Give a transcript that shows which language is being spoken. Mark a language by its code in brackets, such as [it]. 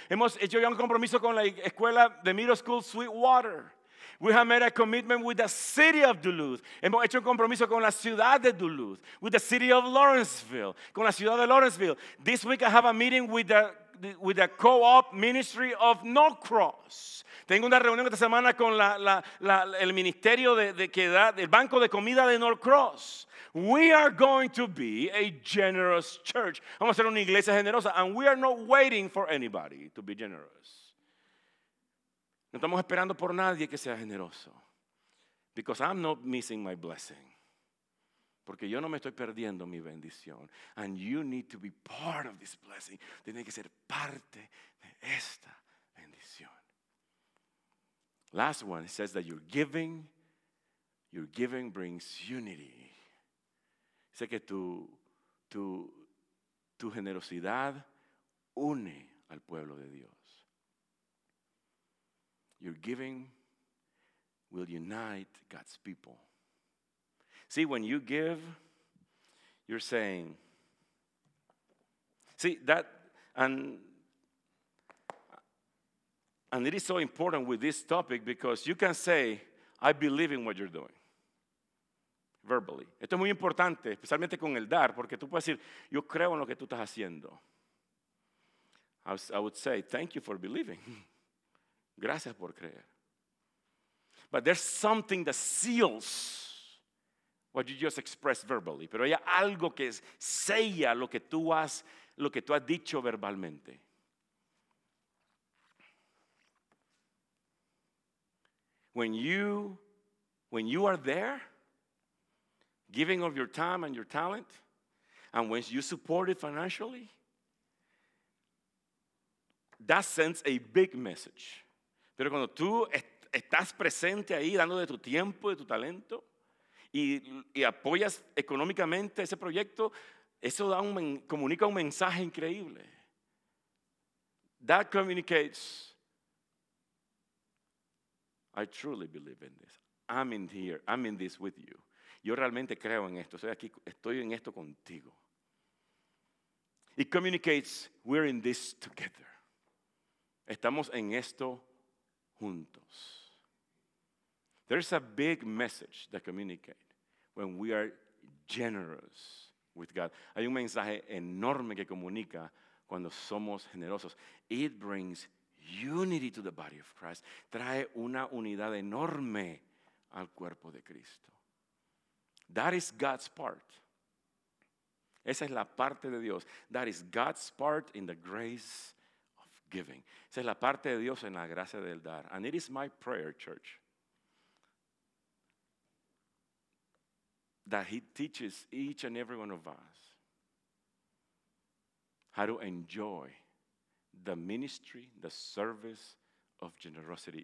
[es] Hemos hecho ya un compromiso con la escuela de Middle School Sweetwater. [en] We have made a commitment with the city of Duluth. [es] Hemos hecho un compromiso con la ciudad de Duluth, [en] with the city of Lawrenceville, [es] con la ciudad de Lawrenceville. [en] This week I have a meeting with the co-op ministry of Norcross. Tengo una reunión esta semana con el ministerio del banco de comida de Norcross. We are going to be a generous church. [es] Vamos a ser una iglesia generosa, [en] and we are not waiting for anybody to be generous. [es] No estamos esperando por nadie que sea generoso, [en] because I'm not missing my blessing. [es] Porque yo no me estoy perdiendo mi bendición. [en] And you need to be part of this blessing. [es] Tiene que ser parte de esta bendición. [en] Last one, it says that your giving brings unity. [es] Dice que tu generosidad une al pueblo de Dios. [en] Your giving will unite God's people. See, when you give, you're saying, see, that, and it is so important with this topic because you can say, I believe in what you're doing, verbally. [es] Esto es muy importante, especialmente con el dar, porque tú puedes decir, yo creo en lo que tú estás haciendo. [en] I would say, thank you for believing. [es] Gracias por creer. [en] But there's something that seals what you just expressed verbally. [es] Pero hay algo que sella lo que tú has dicho verbalmente. [en] When you are there, giving of your time and your talent, and when you support it financially, that sends a big message. [es] Pero cuando tú estás presente ahí dando de tu tiempo, de tu talento, y apoyas económicamente ese proyecto, eso comunica un mensaje increíble. [en] That communicates, I truly believe in this. I'm in this with you. [es] Yo realmente creo en esto. Estoy aquí, estoy en esto contigo. [en] It communicates, we're in this together. [es] Estamos en esto juntos. [en] There's a big message that communicates. When we are generous with God. [es] Hay un mensaje enorme que comunica cuando somos generosos. [en] It brings unity to the body of Christ. [es] Trae una unidad enorme al cuerpo de Cristo. [en] That is God's part. [es] Esa es la parte de Dios. [en] That is God's part in the grace of giving. [es] Esa es la parte de Dios en la gracia del dar. [en] And it is my prayer, church, that he teaches each and every one of us how to enjoy the ministry, the service of generosity.